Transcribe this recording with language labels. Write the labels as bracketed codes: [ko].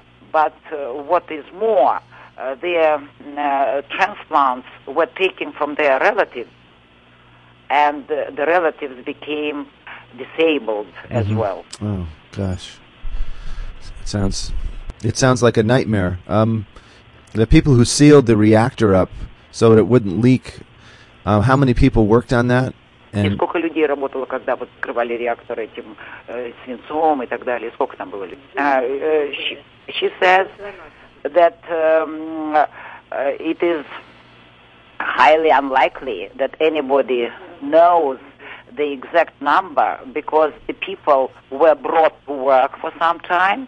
[en] But what is more, their transplants were taken from their relatives, and the relatives became disabled as mm-hmm. well. Oh, gosh. It sounds like a nightmare. The people who sealed the reactor up so that it wouldn't leak, how many people worked on that? [ru] And сколько людей работало, когда вот открывали реактор этим свинцом и так далее? Сколько там было людей? [en] She says that it is highly unlikely that anybody knows the exact number because the people were brought to work for some time,